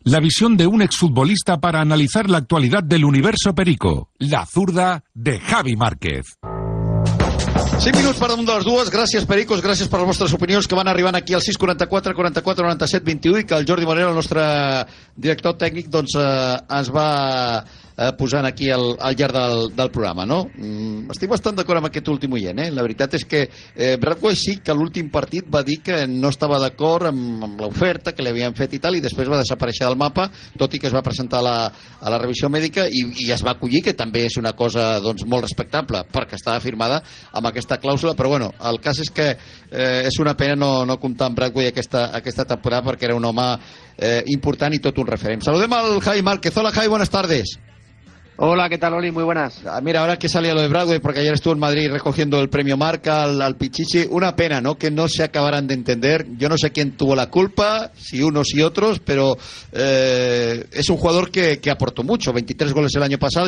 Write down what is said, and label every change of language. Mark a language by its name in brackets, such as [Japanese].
[Spanish] La visión de un exfutbolista para analizar la actualidad del universo perico. La zurda de Javi Márquez. [Catalan] 5 minuts per damunt de les dues. Gràcies, Pericos, gràcies per les vostres opinions que van arribant aquí al 644 44 97 21 i que el Jordi Moreno, el nostre director tècnic, doncs ens va posant aquí al llarg del programa, no? Estic bastant d'acord amb aquest últim oient, La veritat és que Bradway sí que l'últim partit va dir que no estava d'acord amb l'oferta que li havien fet i tal, i després va desaparèixer del mapa, tot i que es va presentar a la revisió mèdica i es va acollir, que també és una cosa doncs molt respectable, perquè estava firmada amb aquesta clàusula. Però bueno, el cas és que és una pena no comptar amb Bradway aquesta temporada, perquè era un home important i tot un referent. Saludem al Javi Márquez. Hola, Javi, [Spanish] buenas tardes. Hola, ¿qué tal, Oli? Muy buenas. Mira, ahora que salía lo de Bradway, porque ayer estuvo en Madrid recogiendo el premio Marca al Pichichi, una pena, ¿no?, que no se acabaran de entender. Yo no sé quién tuvo la culpa, si unos y otros, pero es un jugador que aportó mucho, 23 goles el año pasado.